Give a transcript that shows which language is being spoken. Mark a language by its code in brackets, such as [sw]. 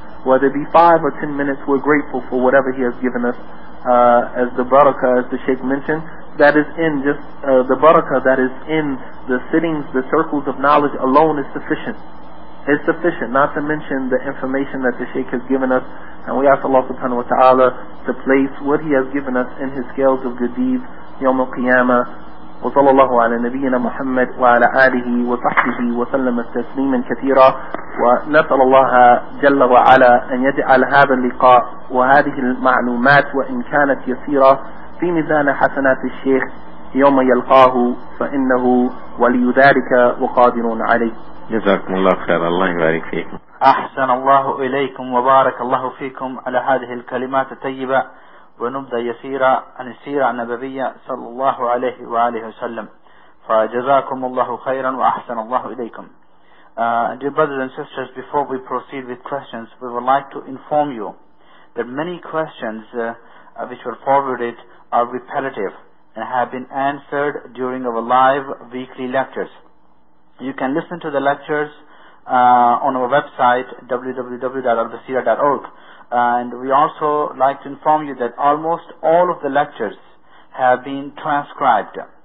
[en] Whether it be 5 or 10 minutes, we're grateful for whatever he has given us, as the barakah, as the Sheikh mentioned, that is in just the barakah that is in the sittings, the circles of knowledge alone is sufficient. It's sufficient, not to mention the information that the Sheikh has given us. And we ask Allah subhanahu wa ta'ala to place what he has given us in his scales of good deeds, yawm al-qiyamah. [ar] وصلى الله على نبينا محمد وعلى آله وصحبه وسلم تسليما كثيرا ونسأل الله جل وعلا أن يجعل هذا اللقاء وهذه المعلومات وإن كانت يسيرة في ميزان حسنات الشيخ يوم يلقاه فإنه ولي ذلك وقادر عليه جزاكم الله خير الله يبارك فيكم أحسن الله إليكم وبارك الله فيكم على هذه الكلمات الطيبة ونبدأ يسيرا عن السيرة النبوية صلى الله عليه وآله وسلم فجزاكم الله خيرا وأحسن الله إليكم. [en] Dear brothers and sisters, before we proceed with questions, we would like to inform you that many questions which were forwarded are repetitive and have been answered during our live weekly lectures. You can listen to the lectures on our website www.albasira.org, and we also like to inform you that almost all of the lectures have been transcribed.